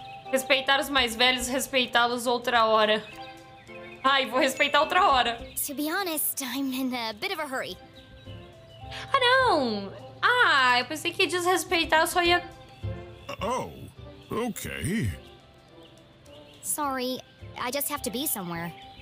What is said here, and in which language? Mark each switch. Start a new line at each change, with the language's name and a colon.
Portuguese: Respeitar os mais velhos, respeitá-los outra hora. Ai, vou respeitar outra hora.
English: To be honest, I'm in a bit of a hurry.
Portuguese: Ah, não. Ah, eu pensei que desrespeitar eu só ia...
English: Oh. Okay. Sorry, I just have to be somewhere.